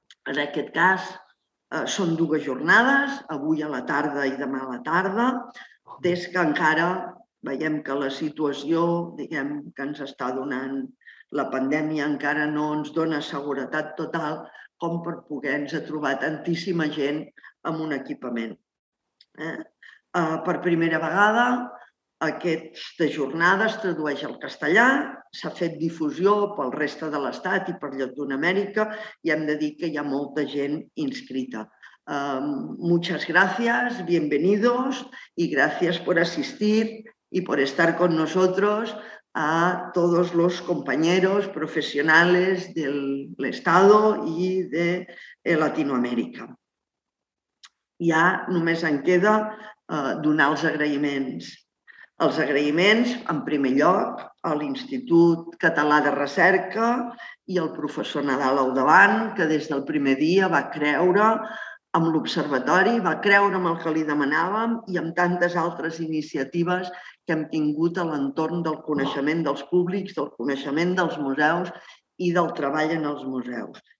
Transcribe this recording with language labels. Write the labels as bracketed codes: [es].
[ca] En aquest cas, són dues jornades, avui a la tarda i demà a la tarda, des que encara veiem que la situació, diguem, que ens està donant la pandèmia encara no ens dona seguretat total com per poder-nos trobar tantíssima gent amb un equipament. Per primera vegada, aquesta jornada es tradueix al castellà, s'ha fet difusió pel reste de l'Estat i per Llatinoamèrica i hem de dir que hi ha molta gent inscrita. [es] Muchas gracias, bienvenidos y gracias por asistir y por estar con nosotros a todos los compañeros profesionales del Estado y de Latinoamérica. [ca] Ja només en queda donar els agraïments. Els agraïments, en primer lloc, a l'Institut Català de Recerca i al professor Nadal Aldavant, que des del primer dia va creure en l'Observatori, va creure en el que li demanàvem i en tantes altres iniciatives que hem tingut a l'entorn del coneixement dels públics, del coneixement dels museus i del treball en els museus.